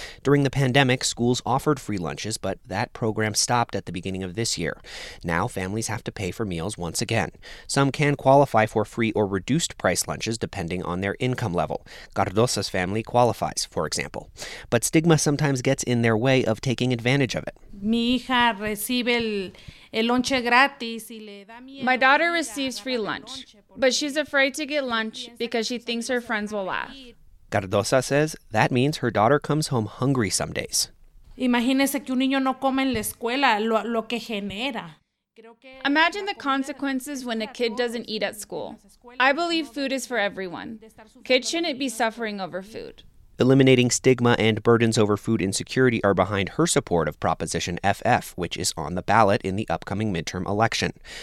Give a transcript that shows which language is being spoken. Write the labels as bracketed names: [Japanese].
[English] During the pandemic, schools offered free lunches, but that program stopped at the beginning of this year. Now families have to pay for meals once again. Some can qualify for free or reduced price lunches depending on their income level. Cardosa's family qualifies, for example. But stigma sometimes gets in their way of taking advantage of it. [Spanish] Mi hija recibe el lonche gratis y le da miedo. [English] My daughter receives free lunch, but she's afraid to get lunch because she thinks her friends will laugh. Cardosa says that means her daughter comes home hungry some days. [Spanish] Imagínese que un niño no come en la escuela, lo que genera. [English] Imagine the consequences when a kid doesn't eat at school. I believe food is for everyone. Kids shouldn't be suffering over food. Eliminating stigma and burdens over food insecurity are behind her support of Proposition FF, which is on the ballot in the upcoming midterm election.